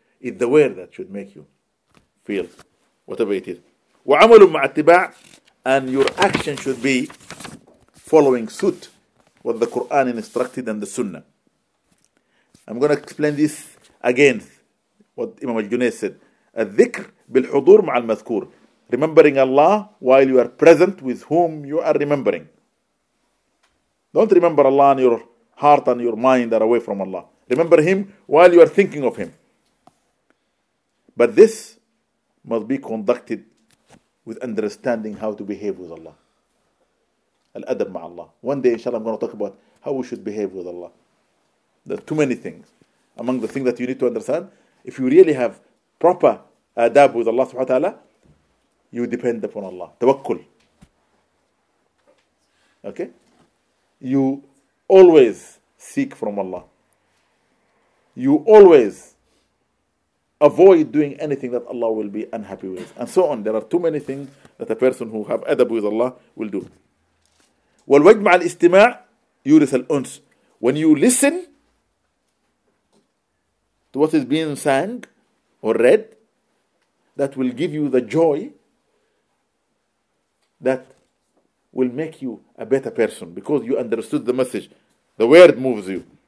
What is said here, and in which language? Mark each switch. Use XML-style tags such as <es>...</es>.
<en>It's the word that should make you feel whatever it is.</en> <ar>وَعَمَلٌ مَعَ اتِّبَاعٍ,</ar> <en>and your action should be following suit what the Quran instructed and the Sunnah. I'm going to explain this again, what Imam al-Junayd said.</en> <ar>الذكر بالحضور مع المذكور.</ar> <en>Remembering Allah while you are present with whom you are remembering. Don't remember Allah and your heart and your mind are away from Allah. Remember Him while you are thinking of Him. But this must be conducted with understanding how to behave with Allah. Al-adab ma'Allah. One day, inshallah, I'm going to talk about how we should behave with Allah. There are too many things. Among the things that you need to understand, if you really have proper adab with Allah subhanahu wa ta'ala, you depend upon Allah. Tawakkul. Okay? You always seek from Allah. You always avoid doing anything that Allah will be unhappy with. And so on. There are too many things that a person who have adab with Allah will do.</en> <ar>والوجه مع الاستماع يورث الأنس.</ar> <en>When you listen to what is being sang or read, that will give you the joy that will make you a better person because you understood the message. The word moves you.</en>